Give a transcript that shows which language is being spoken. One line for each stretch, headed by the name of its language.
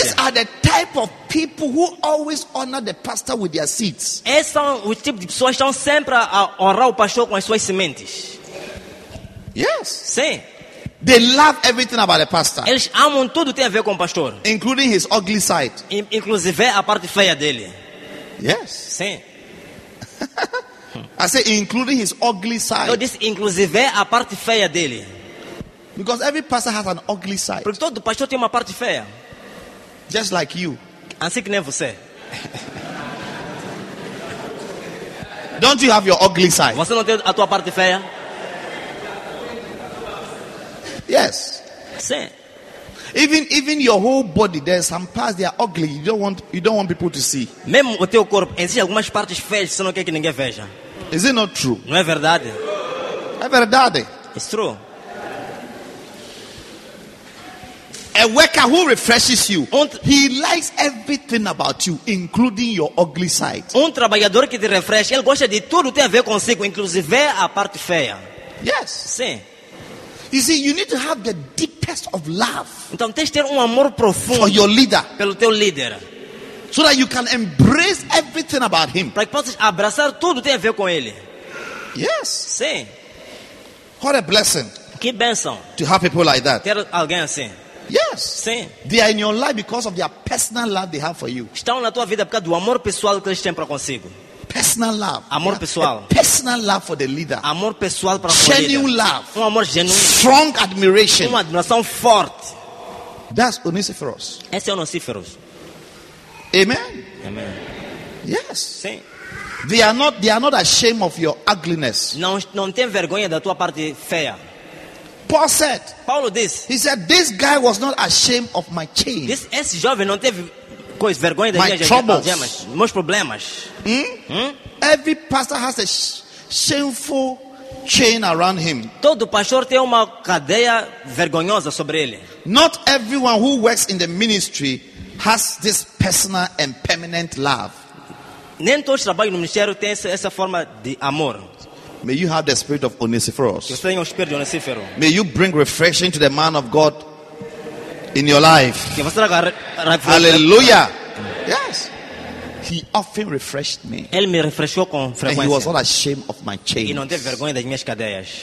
English: These are the type of people who always honor the pastor with their seeds.
Portuguese: Esses são o tipo de pessoas que sempre honram o pastor com as suas sementes.
English: Yes.
Portuguese: Sim.
English: They love everything about the pastor.
Portuguese: Eles amam tudo tem a ver com o pastor.
English: Including his ugly side.
Portuguese: Inclusive a parte feia dele.
English: Yes.
Portuguese: Sim.
English: I say including his ugly side.
Portuguese: Eu disse inclusive a parte feia dele.
English: Because every pastor has an ugly side.
Portuguese: Porque todo pastor tem uma parte feia.
English: Just like you.
Portuguese: Assim que nem você.
English: Don't you have your ugly side?
Portuguese: Você não tem a tua parte feia?
English: Yes.
Portuguese: Sim.
English: Even your whole body, there are some parts that are ugly. You don't want people to see.
Portuguese: Mesmo o teu corpo, existem algumas partes feias que você não quer que ninguém veja.
English: Is it not true?
Portuguese: Não é verdade? É verdade.
English: It's true. A worker who refreshes you, he likes everything about you, including your ugly side.
Portuguese: Um trabalhador que te refresca, ele gosta de tudo que tem a ver consigo, inclusive a parte feia.
English: Yes.
Portuguese: Sim.
English: You see, you need to have the deepest of love.
Portuguese: Então, tens ter amor profundo
English: for your leader.
Portuguese: Pelo teu líder.
English: So that you can embrace everything about him.
Portuguese: Para que possas abraçar tudo que tem a ver com ele.
English: Yes.
Portuguese: Sim.
English: What a blessing.
Portuguese: Que bênção.
English: To have people like that.
Portuguese: Ter alguém assim.
English: Yes.
Portuguese: Sim.
English: They are in your life because of their personal love they have for you.
Portuguese: Estão na tua vida por causa do amor pessoal que eles têm para consigo.
English: Personal love.
Portuguese: Amor pessoal.
English: A personal love for the leader.
Portuguese: Amor pessoal para o
English: genuine
Portuguese: líder.
English: Genuine love.
Portuguese: Amor genuíno.
English: Strong admiration.
Portuguese: Admiração forte.
English: That's Onesiphorus.
Portuguese: Esse é Onesiphorus.
English: Amen.
Portuguese: Amen.
English: Yes.
Portuguese: Sim.
English: They are not ashamed of your ugliness.
Portuguese: Não tem vergonha da tua parte feia.
English: Paul said.
Portuguese: Paulo disse.
English: He said this guy was not ashamed of my chain.
Portuguese: Esse jovem não teve coisa vergonha das algemas, meus problemas.
English: Every pastor has a shameful chain around him.
Portuguese: Todo pastor tem uma cadeia vergonhosa sobre ele.
English: Not everyone who works in the ministry has this personal and permanent love.
Portuguese: Nem todos trabalham no ministério têm essa forma de amor.
English: May you have the spirit of Onesiphorus.
Portuguese: Que você tenha o espírito de Onesiphorus.
English: May you bring refreshing to the man of God in your life.
Portuguese: Que você traga
English: Hallelujah. Yes. He often refreshed me.
Portuguese: Ele me refrescou com frequência.
English: And he was not ashamed of my chains.
Portuguese: E não teve vergonha das minhas cadeias.